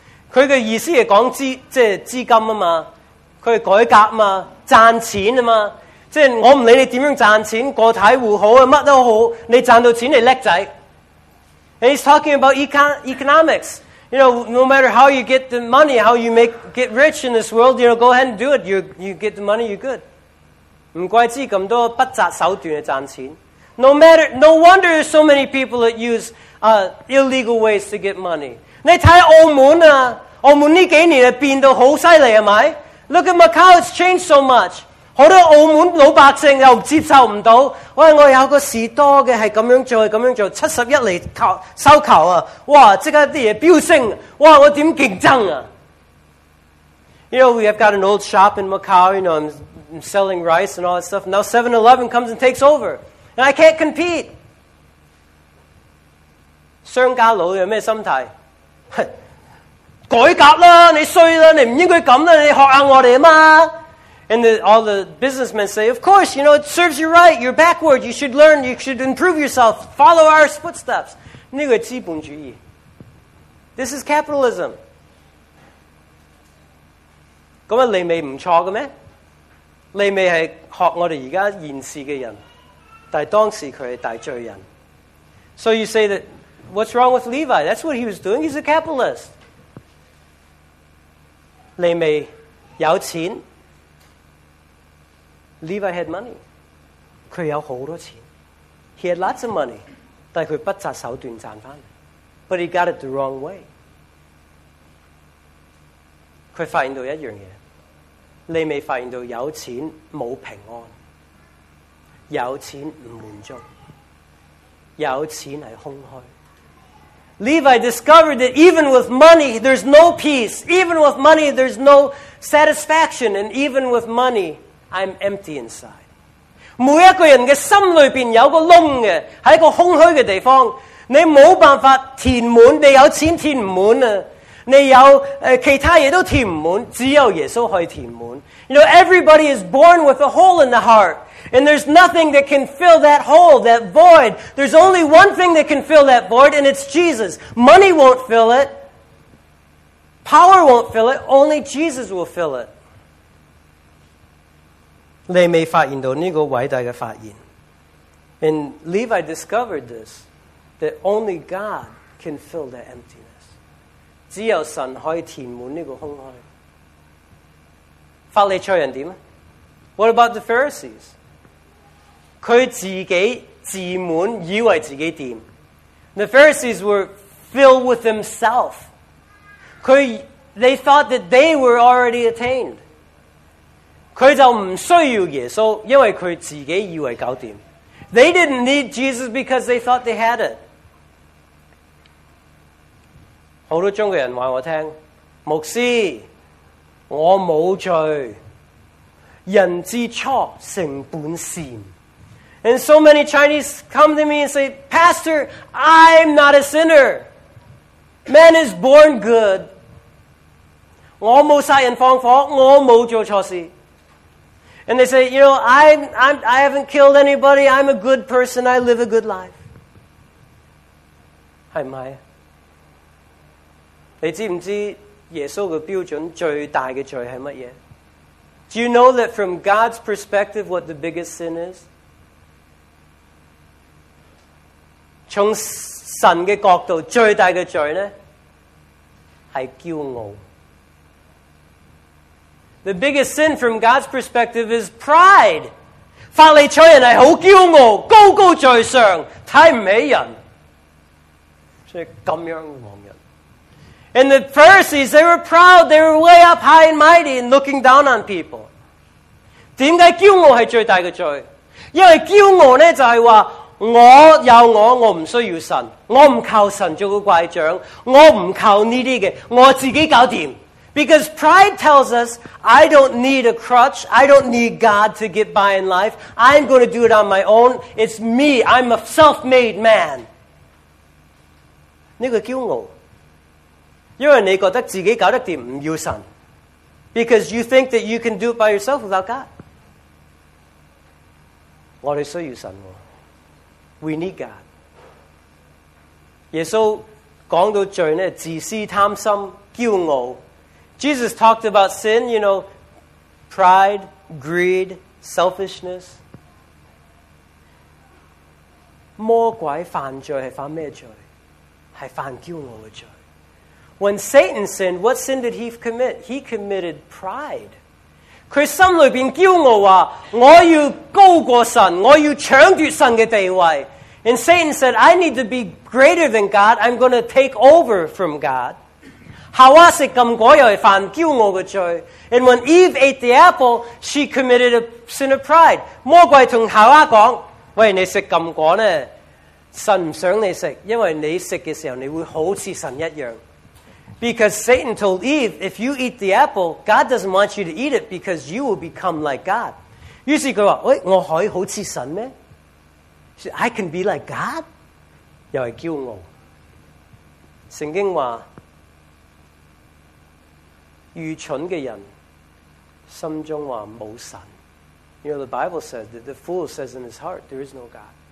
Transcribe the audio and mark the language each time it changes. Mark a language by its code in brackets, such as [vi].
[yue] 他的意思是讲资，即是资金嘛，他是改革嘛，赚钱嘛，即是我不理你怎样赚钱，个体户好，什么都好，你赚到钱你叻仔。 [en] And he's talking about economics. You know, no matter how you get the money, how you get rich in this world, you know, go ahead and do it. You get the money, you're good. [yue] 不怪之这么多不择手段去赚钱。 [en] No wonder there's so many people that use illegal ways to get money. [yue] 你看澳门啊，澳门这几年变得很犀利，是不是？ [en] Look at Macau, it's changed so much. [yue] 很多澳门老百姓又接受不到，喂，我有个士多的是这样做，这样做，71来收购啊，哇，即刻啲嘢飙升，哇，我怎么竞争啊？ [en] You know, we have got an old shop in Macau, you know, I'm selling rice and all that stuff. Now 7-Eleven comes and takes over. And I can't compete. [yue] 商家佬有咩心态？改革啦，你衰啦，你唔应该咁啦，你学下我哋嘛。 [en] And all the businessmen say, of course, you know, it serves you right. You're backward. You should learn. You should improve yourself. Follow our footsteps. [yue] 呢个资本主义。 [en] This is capitalism. [yue] 咁啊，利美唔错嘅咩？利美系学我哋而家现时嘅人。但当时他是大罪人。 [en] So you say that, what's wrong with Levi? That's what he was doing, he's a capitalist. [yue] 利未有钱， [en] Levi had money. [yue] 他有很多钱， [en] He had lots of money, [yue] 但他不择手段赚回来。 [en] But he got it the wrong way. [yue] 他发现到一样东西，利未发现到有钱没有平安。有钱不满足，有钱是空虚。 [en] Levi discovered that even with money, there's no peace. Even with money, there's no satisfaction. And even with money, I'm empty inside. [yue] 每一个人的心里面有个窿的，是一个空虚的地方。你没有办法填满，你有钱填不满，你有其他东西都填不满，只有耶稣可以填满。 [en] You know, everybody is born with a hole in the heart. And there's nothing that can fill that hole, that void. There's only one thing that can fill that void, and it's Jesus. Money won't fill it. Power won't fill it. Only Jesus will fill it. [yue] 利未发现到这个伟大的发现。 [en] And Levi discovered this, that only God can fill that emptiness. [yue] 只有神可以填满这个空虚。法利赛人怎么？ [en] What about the Pharisees? [yue] 他自己自满，以为自己掂。 [en] The Pharisees were filled with themselves. They thought that they were already attained. [yue] 他就不需要耶稣，因为他自己以为搞掂。 [en] They didn't need Jesus because they thought they had it. [yue] 好多中国人话我听，牧师，我冇罪，人之初性本善。 [en] And so many Chinese come to me and say, Pastor, I'm not a sinner. Man is born good. [yue] 我冇杀人放火，我冇做错事。 [en] And they say, you know, I haven't killed anybody. I'm a good person. I live a good life. [yue] 系咪？你知唔知耶稣嘅标准最大嘅罪系乜嘢？ [en] Do you know that from God's perspective, what the biggest sin is? [yue] 从神的角度最大的罪呢是骄傲。 [en] The biggest sin from God's perspective is pride. [yue] 法利赛人是很骄傲，高高在上，看不起人，所以这样的王人。 [en] And the Pharisees, they were proud, they were way up high and mighty and looking down on people. [yue] 为什么骄傲是最大的罪？因为骄傲呢就是说我有我，我不需要神，我不靠神做个怪长，我不靠这些的，我自己搞定。 [en] Because pride tells us, I don't need a crutch, I don't need God to get by in life, I'm going to do it on my own, it's me, I'm a self-made man. [yue] 这个骄傲，因为你觉得自己搞得定，不要神。 [en] Because you think that you can do it by yourself without God. [yue] 我们需要神。 [en] We need God. [yue] 耶稣讲到罪呢，自私、贪心、骄傲。 [en] Jesus talked about sin, you know, pride, greed, selfishness. [yue] 魔鬼犯罪是犯什么罪？是犯骄傲的罪。 [en] When Satan sinned, what sin did he commit? He committed pride. [yue] 他心里面骄傲说，我要高过神，我要抢夺神的地位。 [en] And Satan said, I need to be greater than God. I'm going to take over from God. [yue] 夏娃吃禁果又是犯骄傲的罪。 [en] And when Eve ate the apple, she committed a sin of pride. [yue] 魔鬼跟夏娃说，喂，你吃禁果呢，神不想你吃，因为你吃的时候你会好像神一样。 [en] Because Satan told Eve, if you eat the apple, God doesn't want you to eat it because you will become like God. [yue] 于是他说，喂，我可以好像神吗？ [en] She said, I can be like God? [yue] 又是骄傲。圣经说，愚蠢的人心中说没有神。 [en] You know, the Bible says that the fool says in his heart, there is no God.